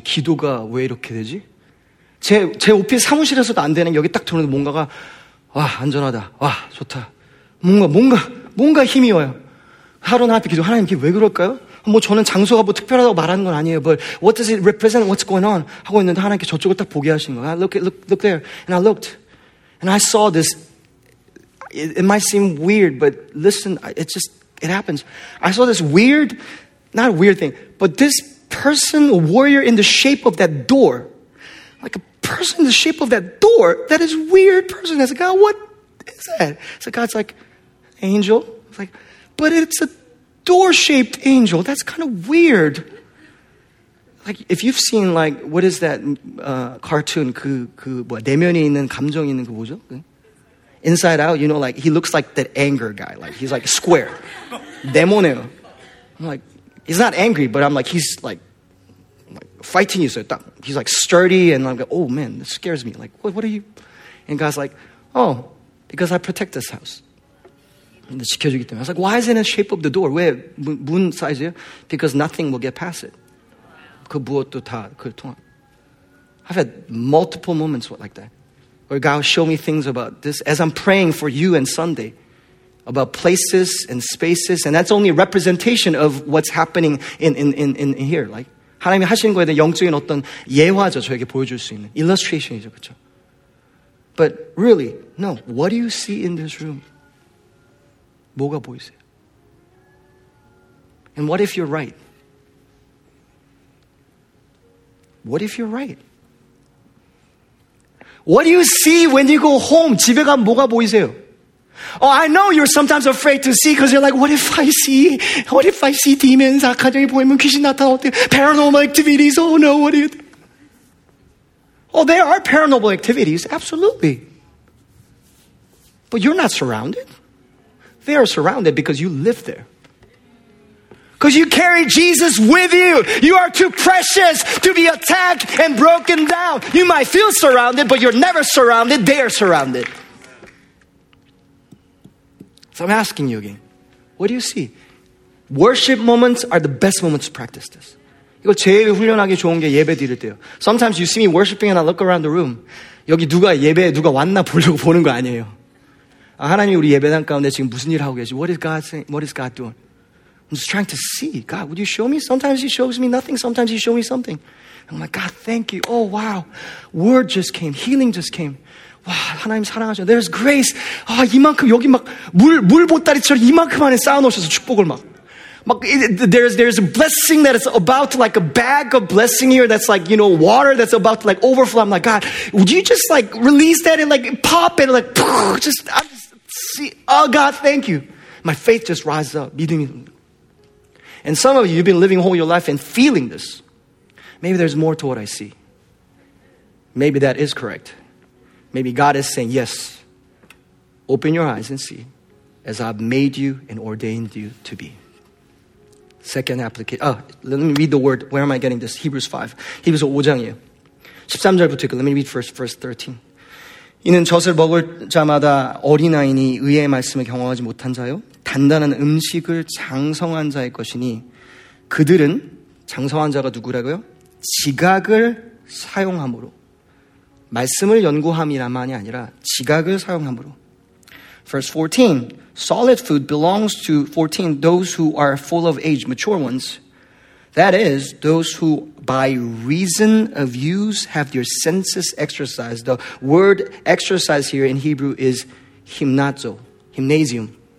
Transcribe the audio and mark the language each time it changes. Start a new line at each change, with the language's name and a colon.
Korean: 기도가 왜 이렇게 되지? 제 오피스 사무실에서도 안 되는 여기 딱 들어오는데 뭔가가 와, 안전하다. 와, 좋다. 뭔가 힘이 와요. 하루는 앞에 기도, 하나님 이게 왜 그럴까요? 뭐 저는 장소가 뭐 특별하다고 말하는 건 아니에요.
English: But what does it represent? What's going on?
Korean: 하고 있는데 하나님께 저쪽을 딱 보게 하신 거예요.
English: I look there. And I looked. And I saw this. It might seem weird, but listen, it happens. I saw this weird, not a weird thing, but this person, a warrior in the shape of that door. Like a person in the shape of that door, that is weird person. I said, God, what is that? So God's like, angel. It's like, but it's a door-shaped angel. That's kind of weird. Like, if you've seen, like, what is that cartoon?
Korean: 그 내면에 있는 감정 있는 그 뭐죠? 그?
English: Inside Out, you know, like, he looks like that anger guy. Like, he's like square.
Korean: 네모네요.
English: I'm like, he's not angry, but I'm like, he's like fighting you. So he's like sturdy, and I'm like, oh, man, this scares me. Like, what are you? And God's like, oh, because I protect this house.
Korean: 지켜주기 때문에.
English: I was like, why is it in the shape of the door?
Korean: 왜 문 사이즈예요?
English: Because nothing will get past it.
Korean: 그 무엇도 다 그 통합.
English: I've had multiple moments like that. Where God will show me things about this as I'm praying for you on Sunday. About places and spaces. And that's only a representation of what's happening in here.
Korean: Like, 하나님이 하시는 거에 대한 영적인 어떤 예화죠. 저에게 보여줄 수 있는. Illustration이죠. 그렇죠?
English: But really, no. What do you see in this room?
Korean: 뭐가 보이세요?
English: And what if you're right? What if you're right? What do you see when you go home?
Korean: 집에 가면 뭐가 보이세요?
English: Oh, I know you're sometimes afraid to see because you're like, what if I see? What if I see demons?
Korean: 가정에 보이면 귀신 나타나 어떻게?
English: Paranormal activities. Oh no, what do you? Oh, there are paranormal activities, absolutely. But you're not surrounded. They are surrounded because you live there. Because you carry Jesus with you. You are too precious to be attacked and broken down. You might feel surrounded, but you're never surrounded. They are surrounded. So I'm asking you again. What do you see? Worship moments are the best moments to practice this.
Korean: 이거 제일 훈련하기 좋은 게 예배 드릴 때요.
English: Sometimes you see me worshiping and I look around the room.
Korean: 여기 누가 예배에 누가 왔나 보려고 보는 거 아니에요. 아, 하나님 우리 예배단 가운데 지금 무슨 일 하고 계시지?
English: What is God saying? What is God doing? I'm just trying to see. God, would you show me? Sometimes he shows me nothing. Sometimes he shows me something. I'm like, God, thank you. Oh, wow. Word just came. Healing just came. Wow,
Korean: 하나님 사랑하셔.
English: There's grace.
Korean: 아, 이만큼 여기 막 물 보따리처럼 이만큼 안에 쌓아놓으셔서 축복을 막.
English: 막, there's a blessing that is about to, like, a bag of blessing here that's like, you know, water that's about to, like, overflow. I'm like, God, would you just, like, release that and, like, pop it, like, poof, just see, oh, God, thank you. My faith just rises up.
Korean: 믿음이.
English: And some of you, you've been living all your life and feeling this. Maybe there's more to what I see. Maybe that is correct. Maybe God is saying, yes, open your eyes and see as I've made you and ordained you to be. Second application. Oh, let me read the word. Where am I getting this? Hebrews 5. Hebrews 5장이에요.
Korean: 13절부터 읽고,
English: let me read verse 13.
Korean: 이는 젖을 먹을 자마다 어린아이니 의의 말씀을 경험하지 못한 자요. 단단한 음식을 장성한 자일 것이니 그들은 장성한 자가 누구라고요? 지각을 사용함으로. 말씀을 연구함이라만이 아니라 지각을 사용함으로.
English: Verse 14. Solid food belongs to 14 those who are full of age, mature ones. That is, those who by reason of use have their senses exercised. The word exercise here in Hebrew is himnazo, gymnasium.